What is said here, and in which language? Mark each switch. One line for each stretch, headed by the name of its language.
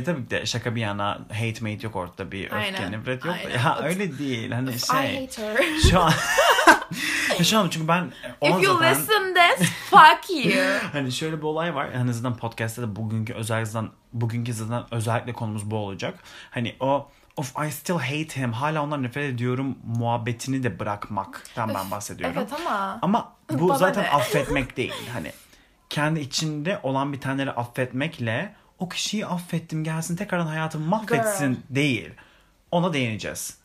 Turkish: Yani tabii de şaka bir yana hate mate yok ortada bir öfke nefret yok. Aynen. Ya öyle değil. Hani şey.
English: I hate her.
Turkish: Şu an çünkü ben
English: if you
Turkish: zaten,
English: listen this, fuck you.
Turkish: Hani şöyle bir olay var. Hani zaten podcast'ta da bugünkü zaten özellikle konumuz bu olacak. Hani o
English: of I still hate him.
Turkish: Hala ondan nefret ediyorum muhabbetini de bırakmaktan ben bahsediyorum. Evet ama. Ama bu zaten affetmek değil. Hani kendi içinde olan bir taneleri affetmekle o kişiyi affettim gelsin tekrardan hayatımı mahvetsin girl değil. Ona değineceğiz.